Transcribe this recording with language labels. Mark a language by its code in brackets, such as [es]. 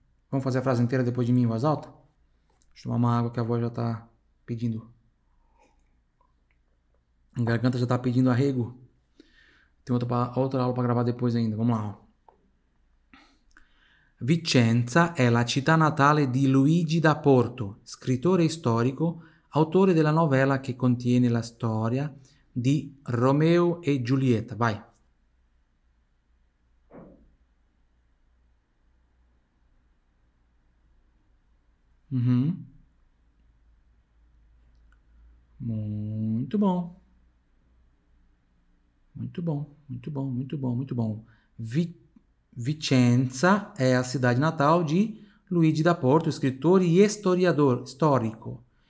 [pt] Vamos fazer a frase inteira depois de mim em voz alta? Deixa eu tomar uma água que a voz já tá pedindo. A garganta já tá pedindo arrego. Tem outra aula para gravar depois ainda. Vamos lá. [it] Vicenza è la città natale di Luigi da Porto, scrittore storico, autore della novella che contiene la storia di Romeo e Giulietta. [pt] Vai. Muito bom. Muito bom, muito bom, muito bom, muito bom. [it] Vicenza è la città natale di Luigi da Porto, scrittore e storiador, storico.